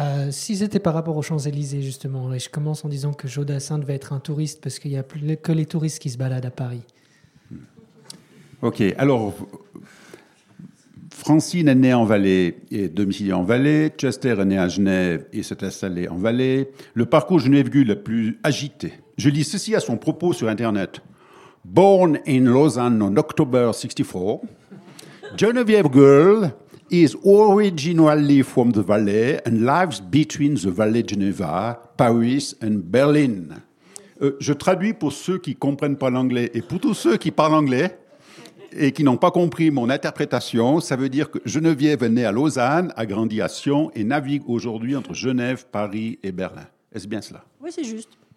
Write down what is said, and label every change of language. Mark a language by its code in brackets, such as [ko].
[fr] Si c'était par rapport aux Champs-Élysées, justement, et je commence en disant que Joe Dassin devait être un touriste parce qu'il n'y a plus que les touristes qui se baladent à Paris. Ok, alors, Francine est née en Valais et domiciliée en Valais. Chester est née à Genève et s'est installée en Valais. Le parcours Geneviève Gull est plus agité. Je lis ceci à son propos sur Internet. [en] Born in Lausanne on October 64, Geneviève Gull is originally from the Valais and lives between the Valais, Geneva, Paris and Berlin. [fr] Je traduis pour ceux qui ne comprennent pas l'anglais et pour tous ceux qui parlent anglais et qui n'ont pas compris mon interprétation, ça veut dire que Geneviève est née à Lausanne, a grandi à Sion et navigue aujourd'hui entre Genève, Paris et Berlin. Est-ce bien cela? Oui, c'est juste.